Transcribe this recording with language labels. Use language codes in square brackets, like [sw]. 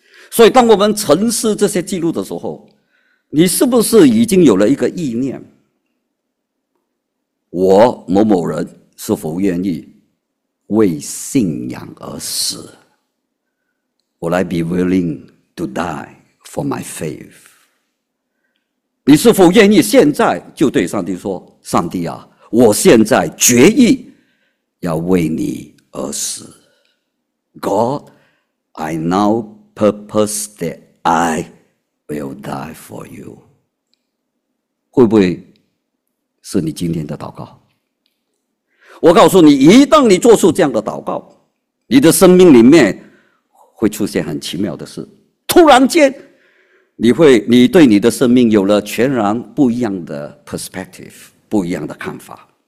[zh] 所以当我们沉思这些记录的时候，你是不是已经有了一个意念，我某某人是否愿意为信仰而死？ [en] Will I be willing to die for my faith? [zh] 你是否愿意现在就对上帝说，上帝啊，我现在决意要为你而死。 [en] God, I now purpose that I will die for you. [zh] 会不会是你今天的祷告？我告诉你，一旦你做出这样的祷告，你的生命里面会出现很奇妙的事。突然间，你对你的生命有了全然不一样的 perspective， 不一样的看法。